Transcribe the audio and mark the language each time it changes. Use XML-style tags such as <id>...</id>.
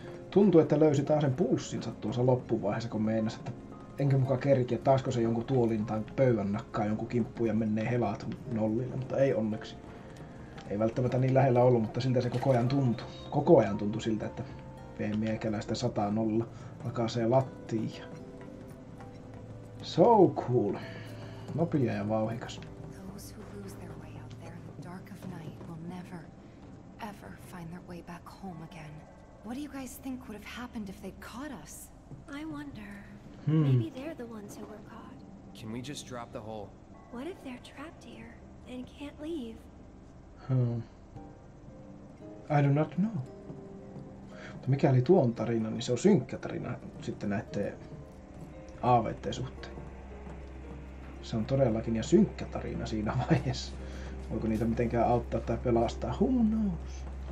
<fi>Tuntuu, että löysi taas sen pulssinsa tuossa loppuvaiheessa, kun meinas, että enkä mukaan kerkiä, taasko se jonkun tuolin tai pöydän nakkaa jonkun kimppuun ja menee helat nollille, mutta ei onneksi. Ei välttämättä niin lähellä ollut, mutta siltä se koko ajan tuntui. Koko ajan tuntui siltä, että vee miekäläistä 100-0 lakasee lattiin.</fi> <en>So cool.</en> <fi>Nopea ja vauhikas.</fi> <en>Those who lose their way out there in the dark of night will never, ever find their way back home again. What do you guys think would have happened if they'd caught us? I wonder. Hmm. Maybe they're the ones who were caught. Can we just drop the hole? What if they're trapped here and can't leave? I do not know.</en> <fi>Mutta mikäli tuo on tarina, niin se on synkkä tarina sitten näette aaveitten suhteen. Se on todellakin ja synkkä tarina siinä vaiheessa. Voiko niitä mitenkään auttaa tai pelastaa?</fi> <en>Who knows?</en>